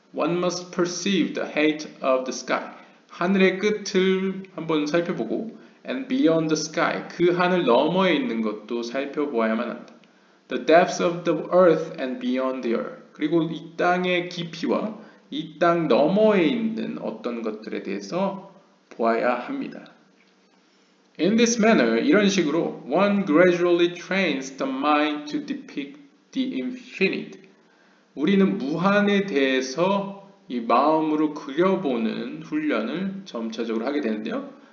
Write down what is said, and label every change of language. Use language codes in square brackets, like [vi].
[en] One must perceive the height of the sky. [ko] 하늘의 끝을 한번 살펴보고 [en] and beyond the sky. [ko] 그 하늘 너머에 있는 것도 살펴보아야만 한다. [en] The depths of the earth and beyond the earth. [ko] 그리고 이 땅의 깊이와 이 땅 너머에 있는 어떤 것들에 대해서 보아야 합니다. [en] In this manner, [ko] 이런 식으로 [en] one gradually trains the mind to depict the infinite. [ko] 우리는 무한에 대해서 이 마음으로 그려보는 훈련을 점차적으로 하게 되는데요.